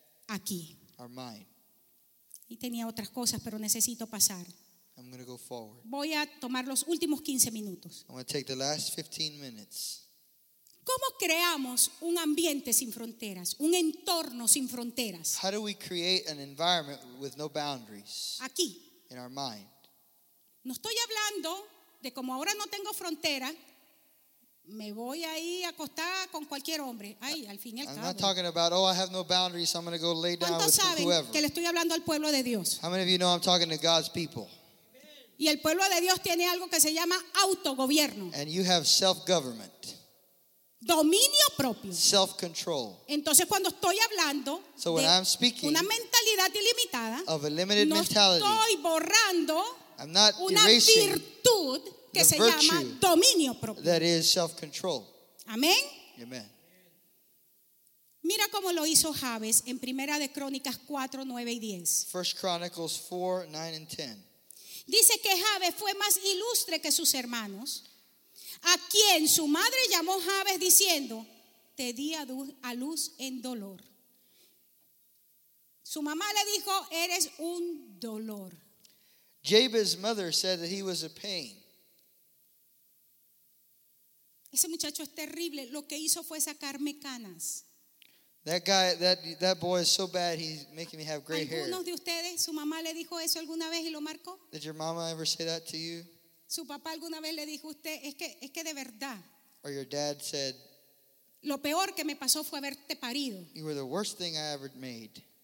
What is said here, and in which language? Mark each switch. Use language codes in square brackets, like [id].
[es] Aquí. [en] Our mind. [es] Y tenía otras cosas, pero necesito pasar. [en] I'm going to go forward. [es] Voy a tomar los últimos 15 minutos. [en] I'm going to take the last 15 minutes. [es] ¿Cómo creamos un ambiente sin fronteras, un entorno sin fronteras? [en] How do we create an environment with no boundaries? [es] Aquí. [en] In our mind. [es] No estoy hablando de como ahora no tengo frontera, me voy a ir a acostar con cualquier hombre. Ay, al fin y al cabo. [en] I'm not talking about, oh, I have no boundaries, so I'm going to go lay down with whoever. [es] ¿Cuántos saben que le estoy hablando al pueblo de Dios? [en] How many of you know I'm talking to God's people? [es] Y el pueblo de Dios tiene algo que se llama autogobierno. [en] And you have self-government. [es] Dominio propio. [en] Self-control. [es] Entonces cuando estoy hablando [en] so [es] de una mentalidad ilimitada, [en] of a limited [es] no [en] mentality, [es] estoy borrando [en] I'm not [es] una virtud que se llama dominio propio. [en] That is self-control. [es] Amén. [en] Amen. [es] Mira cómo lo hizo Jabes en Primera de Crónicas 4, 9 y 10. [en] 1 Chronicles 4, 9 and 10. [es] Dice que Jabes fue más ilustre que sus hermanos, a quien su madre llamó Jabes diciendo, te di a luz en dolor. Su mamá le dijo, eres un dolor. [en] Jabes' mother said that he was a pain. [es] Ese muchacho es terrible. Lo que hizo fue sacarme canas. [en] That guy, that boy is so bad, he's making me have gray hair. [es] ¿Alguno de ustedes, su mamá le dijo eso alguna vez y lo marcó? [en] Did your mama ever say that to you? [es] ¿Su papá alguna vez le dijo usted, es que de verdad? [en] Or your dad said, [es] lo peor que me pasó fue haberte parido. [en] You were the worst thing I ever made.